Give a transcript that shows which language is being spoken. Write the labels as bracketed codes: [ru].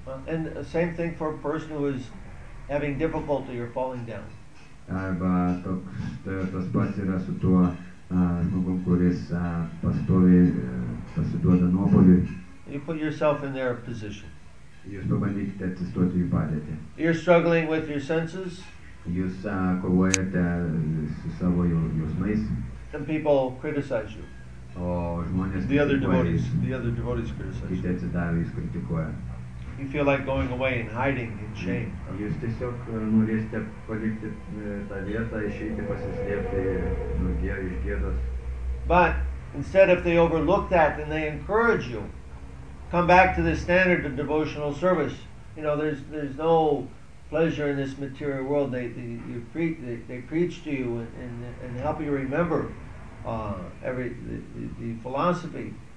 [en] And the same thing for a person who is having difficulty or falling down. [lt] Arba tas pats yra su tuo žmogum, kuris pastovi pasiduoda nuopoliui. [en] You put yourself in their position. [lt] Jūs pabandykite atsistoti jų padėtį. [en] You're struggling with your senses. [lt] Jūs kovojate su savo jausmais. [en] Some people criticize you. [lt] O žmonės [en] the other devotees criticize you. You feel like going away and hiding in shame. [lt] Jūs tiesiog norėsite palikti tą vietą, išeiti pasislėpti iš gėdos. [en] But instead, if they overlook that, then they encourage you. Come back to the standard of devotional service. You know, there's no pleasure in this material world. They preach to you and help you remember the philosophy.